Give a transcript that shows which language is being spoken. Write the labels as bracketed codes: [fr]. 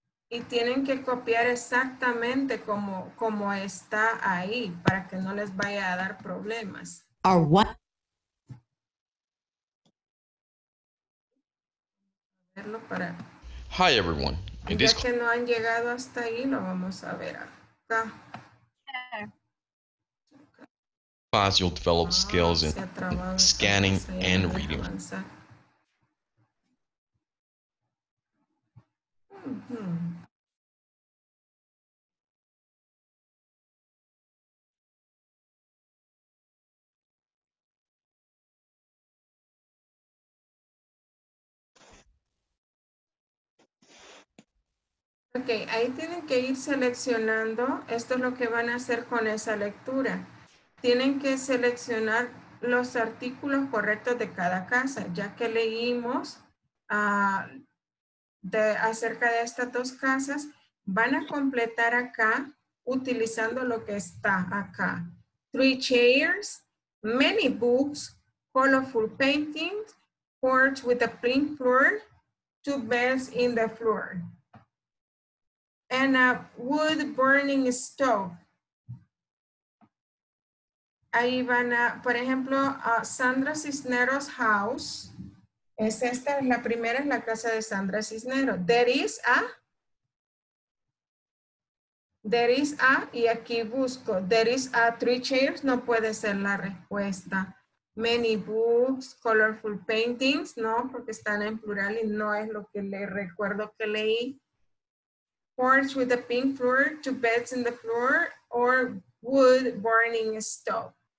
[es] Y tienen que copiar exactamente como está ahí para que no les vaya a dar problemas. [en] Or what? [es] A verlo para. [en] Hi, everyone. [es] Ya que no han llegado hasta ahí, lo vamos a ver acá. [en] Class, you'll develop skills in scanning and reading. [es] Ok, ahí tienen que ir seleccionando, esto es lo que van a hacer con esa lectura. Tienen que seleccionar los artículos correctos de cada casa, ya que leímos acerca de estas dos casas, van a completar acá utilizando lo que está acá. [en] Three chairs, many books, colorful paintings, porch with a pink floor, two beds in the floor. and a wood burning stove. [es] Ahí van a, por ejemplo, Sandra Cisneros house. Es esta, la primera es la casa de Sandra Cisneros. [en] There is a, [es] y aquí busco, [en] there is a three chairs, [es] no puede ser la respuesta. [en] Many books, colorful paintings, [es] no, porque están en plural y no es lo que le recuerdo que leí. [en] Porch with a pink floor, two beds in the floor, or wood burning stove.